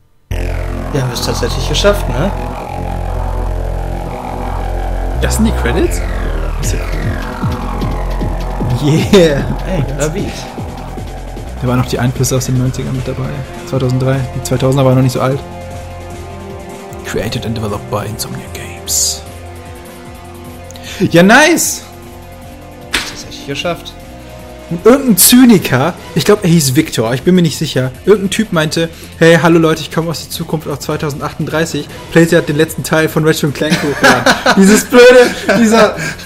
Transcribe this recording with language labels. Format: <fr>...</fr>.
<de>Ja, wir haben es tatsächlich geschafft, ne? Das sind die Credits?</de> <en>Yeah! Ey,</en> <de>da waren noch die Einflüsse aus den 90ern mit dabei. 2003. Die 2000er waren noch nicht so alt.</de> <en>Created and developed by Insomniac Games.</en> <de>Ja, nice! Das hätte ich geschafft. Und irgendein Zyniker, ich glaube, er hieß Victor, ich bin mir nicht sicher, irgendein Typ meinte, hey, hallo Leute, ich komme aus der Zukunft auf 2038, PlayStation hat den letzten Teil von Ratchet & Clank hochgeladen. Dieses blöde, dieser...</de>